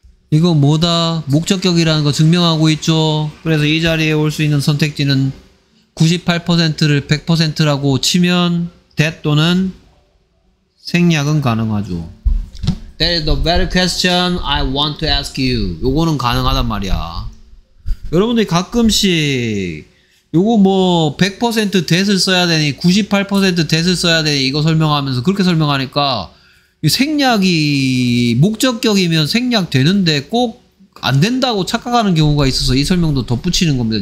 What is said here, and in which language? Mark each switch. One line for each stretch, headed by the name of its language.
Korean: 이거 뭐다? 목적격이라는 거 증명하고 있죠? 그래서 이 자리에 올 수 있는 선택지는 98%를 100%라고 치면 that 또는 생략은 가능하죠.
English: That is the very question I want to ask you.
Korean: 요거는 가능하단 말이야. 여러분들이 가끔씩 요거 뭐 100% that을 써야 되니 98% that을 써야 되니 이거 설명하면서 그렇게 설명하니까 생략이 목적격이면 생략되는데 꼭 안 된다고 착각하는 경우가 있어서 이 설명도 덧붙이는 겁니다.